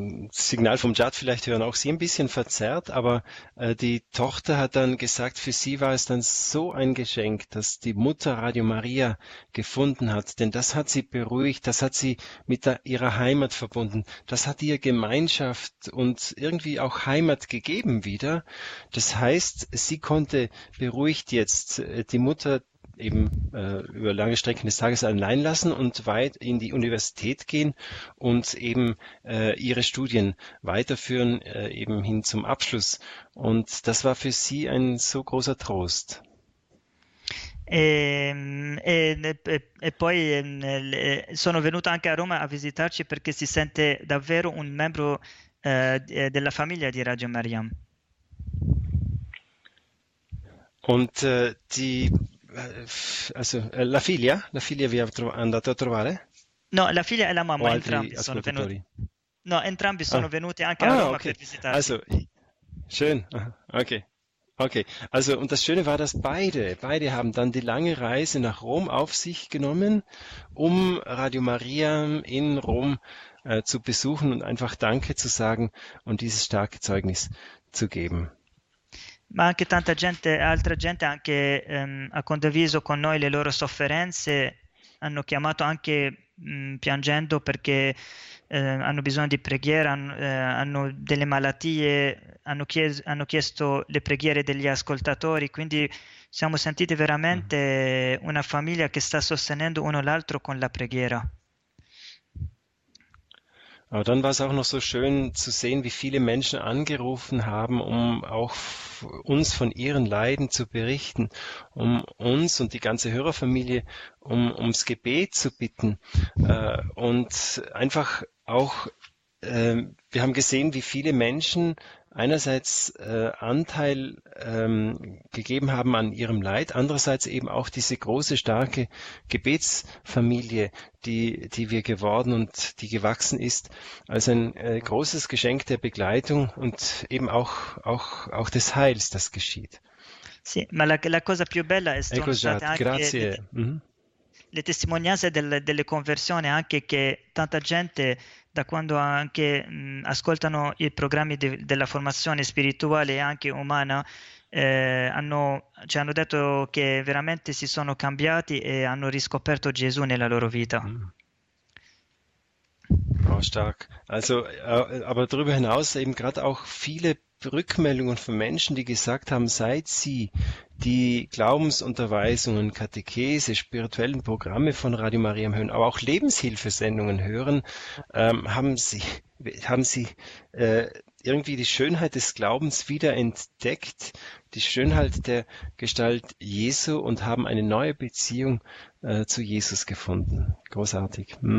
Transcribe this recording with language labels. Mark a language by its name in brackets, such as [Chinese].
[German] Signal vom Jad, vielleicht hören auch Sie ein bisschen verzerrt, aber die Tochter hat dann gesagt, für sie war es dann so ein Geschenk, dass die Mutter Radio Maria gefunden hat, denn das hat sie beruhigt, das hat sie mit ihrer Heimat verbunden, das hat ihr Gemeinschaft und irgendwie auch Heimat gegeben wieder. Das heißt, sie konnte beruhigt jetzt die Mutter eben über lange Strecken des Tages allein lassen und weit in die Universität gehen und eben ihre Studien weiterführen, eben hin zum Abschluss. Und das war für sie ein so großer Trost. [Italian] E poi sono venuto anche a Roma a visitarci perché si sente davvero un membro della famiglia di Radio Maria. [German] Und die, also [Italian] la figlia, vi ha andato a trovare? No, la figlia e la mamma, o entrambi sono venuti. No, entrambi sono venuti anche a Roma per visitarci. [German] Also, schön, okay. Okay, also und das Schöne war, dass beide haben dann die lange Reise nach Rom auf sich genommen, um Radio Maria in Rom zu besuchen und einfach Danke zu sagen und dieses starke Zeugnis zu geben. [Italian] Ma anche tanta gente, altra gente anche ha condiviso con noi le loro sofferenze, hanno chiamato anche piangendo perché hanno bisogno di preghiera, hanno delle malattie, hanno chiesto le preghiere degli ascoltatori, quindi siamo sentiti veramente una famiglia che sta sostenendo uno l'altro con la preghiera. [German] Aber dann war es auch noch so schön zu sehen, wie viele Menschen angerufen haben, um auch uns von ihren Leiden zu berichten, um uns und die ganze Hörerfamilie ums Gebet zu bitten. Und einfach auch, wir haben gesehen, wie viele Menschen einerseits Anteil gegeben haben an ihrem Leid, andererseits eben auch diese große, starke Gebetsfamilie, die wir geworden und die gewachsen ist, als ein großes Geschenk der Begleitung und eben auch des Heils, das geschieht. [Italian] Sì, ma la cosa più bella è stata ecco, anche grazie. Le testimonianze delle conversioni, anche che tanta gente da quando anche ascoltano i programmi della formazione spirituale e anche umana hanno detto che veramente si sono cambiati e hanno riscoperto Gesù nella loro vita. [German] Oh, stark. Also, aber darüber hinaus eben gerade auch viele Rückmeldungen von Menschen, die gesagt haben, seit sie die Glaubensunterweisungen, Katechese, spirituellen Programme von Radio Maria hören, aber auch Lebenshilfesendungen hören, haben sie irgendwie die Schönheit des Glaubens wieder entdeckt, die Schönheit der Gestalt Jesu und haben eine neue Beziehung zu Jesus gefunden. Großartig.